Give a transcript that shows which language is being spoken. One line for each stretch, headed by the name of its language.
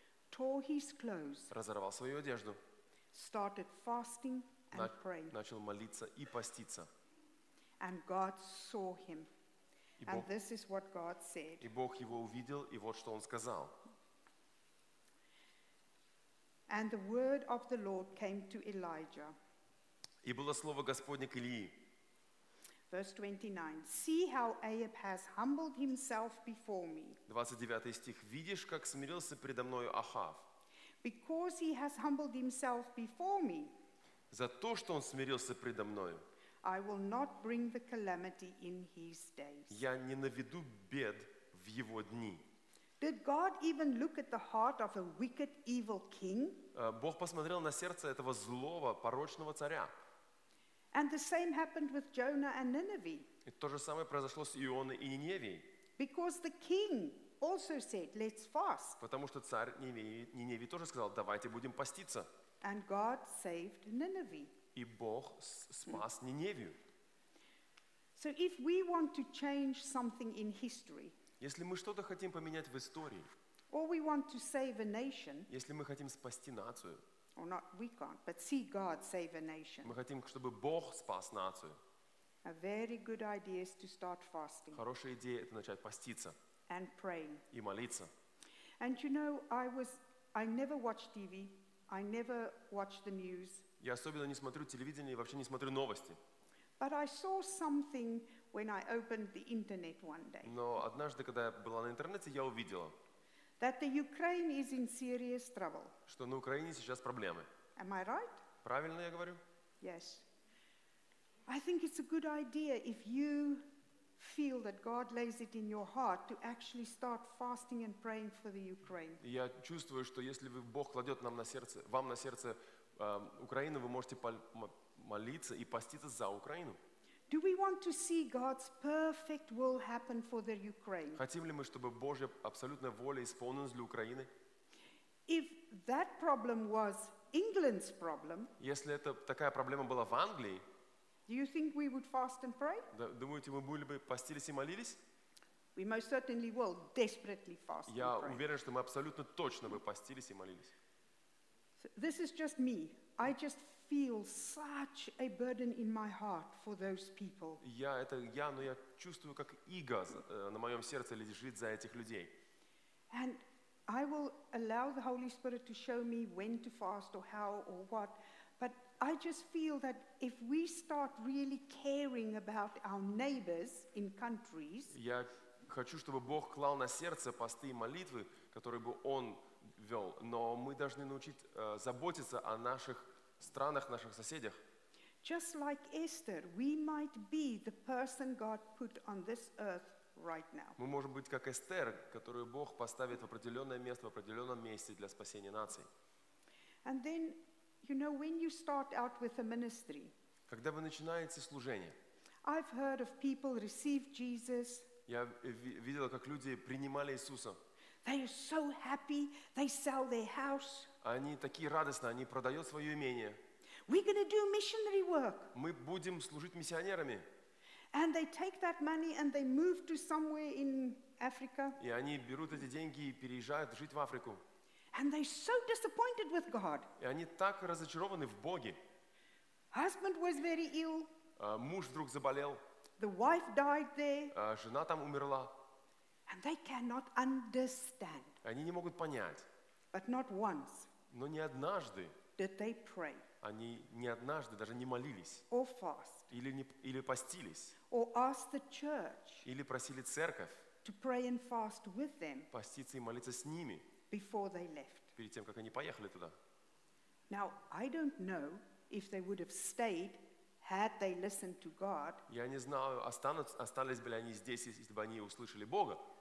English: tore his clothes,
Russian: разорвал свою одежду,
English: started fasting and praying,
Russian: начал молиться и поститься.
English: And God saw him. And this is what God said.
Russian: И Бог его увидел, и вот что он сказал.
English: And the word of the Lord came to Elijah.
Russian: И было слово Господне к Илии.
English: Verse 29. See how Ahab has humbled himself before me.
Russian: 29 стих. Видишь, как смирился предо мною Ахав.
English: Because he has humbled himself before me.
Russian: За то, что он смирился предо мною.
English: I will not bring the calamity in his days.
Russian: Я не наведу бед в его дни.
English: Did God even look at the heart of a wicked, evil king?
Russian: Бог посмотрел на сердце этого злого, порочного царя.
English: And the same happened with Jonah and Nineveh.
Russian: И то же самое произошло с Ионой и Ниневией.
English: Because the king also said, "Let's fast."
Russian: Потому что царь Ниневии тоже сказал: "Давайте будем поститься."
English: And God saved Nineveh.
Russian: И Бог спас Ниневию.
English: So if we want to change something in history,
Russian: если мы что-то хотим поменять в истории,
English: or we want to save a nation,
Russian: если мы хотим спасти нацию,
English: or not, we can't, but see God save a nation,
Russian: мы хотим, чтобы Бог спас нацию,
English: A very good idea is to start fasting.
Russian: Хорошая идея – это начать поститься.
English: And praying.
Russian: И молиться.
English: And you know, I never watch TV. I never watch the news.
Russian: Я особенно не смотрю телевидение и вообще не смотрю новости.
English: But I saw something when I opened the internet one day.
Russian: Но однажды, когда я была на интернете, я увидела.
English: That the Ukraine is in serious trouble.
Russian: Что на Украине сейчас проблемы.
English: Am I right?
Russian: Правильно я говорю?
English: Yes. I think it's a good idea if you feel that God lays it in your heart to actually start fasting and praying for the Ukraine.
Russian: Я чувствую, что если Бог кладет нам на сердце, вам на сердце Украину, вы можете молиться и поститься за Украину.
English: Do we want to see God's perfect will happen for the Ukraine?
Russian: Хотим ли мы, чтобы Божья абсолютная воля исполнилась для Украины?
English: If that problem was England's problem,
Russian: если это такая проблема была в Англии,
English: do you think we would fast and pray?
Russian: Думаете, мы были бы постились и молились?
English: We most certainly will desperately fast and pray.
Russian: Я уверен, что мы абсолютно точно бы постились и молились.
English: This is just me. I just feel such a burden in my heart for those people.
Russian: Я это я, но я чувствую, как иго на моем сердце лежит за этих людей.
English: And I will allow the Holy Spirit to show me when to fast or how or what. But I just feel that if we start really caring about our neighbors in countries,
Russian: я хочу, чтобы Бог клал на сердце посты и молитвы, которые бы Он вел. Но мы должны научить заботиться о наших странах, наших соседях.
English: Just like Esther, we might be the person God put on this earth right now.
Russian: Мы можем быть как Эстер, которую Бог поставит в определенное место, в определенном месте для спасения наций.
English: And then, you know, when you start out with a ministry,
Russian: когда вы начинаете служение,
English: I've heard of people receive Jesus.
Russian: Я видел, как люди принимали Иисуса.
English: They are so happy. They sell their house.
Russian: Они такие радостные, они продают свое имение.
English: We're going to do missionary work.
Russian: Мы будем служить миссионерами.
English: And they take that money and they move to somewhere in Africa.
Russian: И они берут эти деньги и переезжают жить в Африку.
English: And they're so disappointed with God.
Russian: И они так разочарованы в Боге.
English: Husband was very ill.
Russian: Муж вдруг заболел.
English: The wife died there.
Russian: Жена там умерла.
English: And they cannot understand.
Russian: Они не могут понять.
English: But not once.
Russian: Но не однажды.
English: Did they pray?
Russian: Они не однажды даже не молились.
English: Or fast.
Russian: Или постились.
English: Or ask the church.
Russian: Или просили церковь.
English: To pray and fast with them.
Russian: Поститься и молиться с ними.
English: Before they left.
Russian: Перед тем, как они поехали туда.
English: Now I don't know if they would have stayed had they listened to God.
Russian: Я не знаю, остались бы ли они здесь, если бы они услышали Бога.